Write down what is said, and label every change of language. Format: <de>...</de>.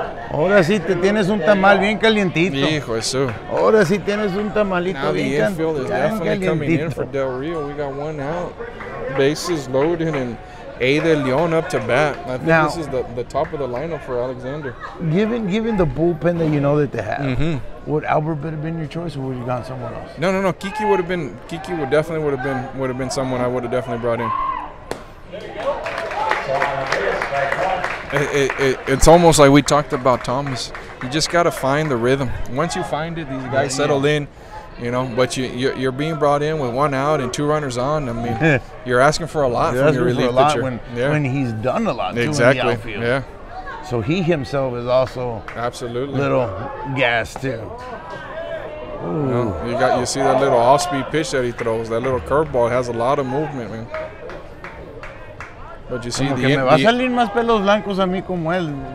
<es>Ahora sí te tienes un tamal bien calientito. Hijo eso. Ahora sí tienes un tamalito bien calientito.</es> <en>Now the infield is definitely coming in for Del Rio. We got one out. Bases loaded and Ada Leon up to bat. I think now, this is the top of the lineup for Alexander. Given the bullpen that you know that they have, mm-hmm. would Albert have been your choice or would you gone someone else? No. Kiki would definitely have been someone I would have definitely brought in. It's almost like we talked about Thomas. You just got to find the rhythm. Once you find it, these guys settle in, you know. But you're being brought in with one out and two runners on. I mean, you're asking for a lot from your relief pitcher. When he's done a lot, too, exactly. In the outfield. Yeah. So he himself is also absolutely little gas, too. Ooh. You see that little off-speed pitch that he throws, that little curveball. It has a lot of movement, man. But you see</en> <es>como</es> <en>the</en> <es>que me va a salir más pelos blancos a mí como él.</es>